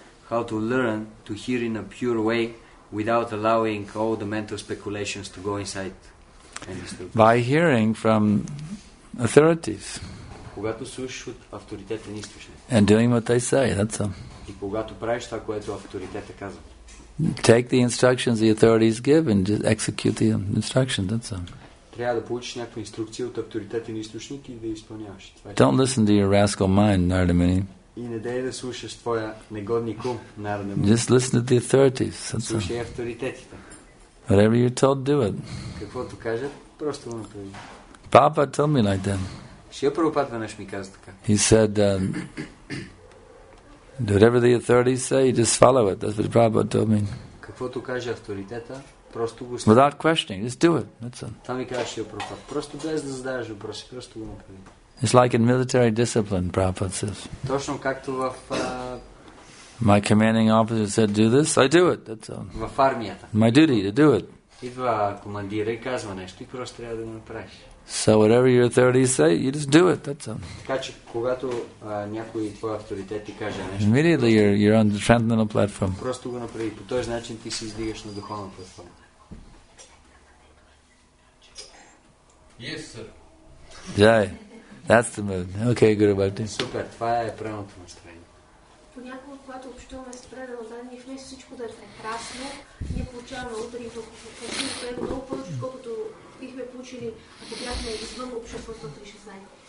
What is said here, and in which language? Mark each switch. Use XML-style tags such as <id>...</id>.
<en>How to learn to hear in a pure way without allowing all the mental speculations to go inside. By hearing from authorities.</en> <bg>Когато слушаш от авторитетен източник.</bg> <en>And doing what they say, that's all.</en> <bg>И когато правиш това, което авторитета казва.</bg> <en>Take the instructions the authorities give and just execute the instructions, that's all.</en> <bg>Трябва да получиш някаква инструкция от авторитетен източник и да изпълняваш.</bg> <en>Don't listen to your rascal mind, Narada Muni.</en> <bg>И не дей да слушаш твоя негодник ум, Narada Muni.</bg> <en>Just listen to the authorities.</en> <bg>Слушай авторитетите.</bg> <en>Whatever you're told, do it.</en> <bg>Каквото кажат, просто го направи.</bg> <en>Papa told me like that.</en> <bg>Шия Прабхупада веднъж ми каза така.</bg> <en>He said, whatever the authorities say, you just follow it. That's what Prabhupada told me.</en> <bg>Каквото каже авторитета, просто го слушай.</bg> <en>Without questioning, just do it. That's it.</en> <bg>Там ми каза Шия Прабхупада, просто без да задаваш въпроси, просто го направи.</bg> <en>It's like in military discipline, Prabhupada says.</en> <bg>Точно както в...</bg> <en>My commanding officer said, do this, I do it, that's all.</en> <bg>В армията.</bg> <en>My duty to do it.</en> <bg>Идва командира и казва нещо и просто трябва да го направиш.</bg> <en>So whatever your authorities say, you just do it, that's all.</en> <bg>Така че, когато някой твой авторитет ти каже нещо...</bg> <en>Immediately you're on the transcendental platform.</en> <bg>Просто го направи. По този начин ти се издигаш на духовна платформа. Yes, sir.</bg> <en>Jai. That's the mood. Okay, Guru Bhakti.</en> <bg>Супер, това е правилното настроение. Понякога, когато общуваме с предано знание, в нея всичко да е прекрасно, ние получаваме удари много повече, колкото бихме получили, ако бяхме извън обществото при съзнание.</bg>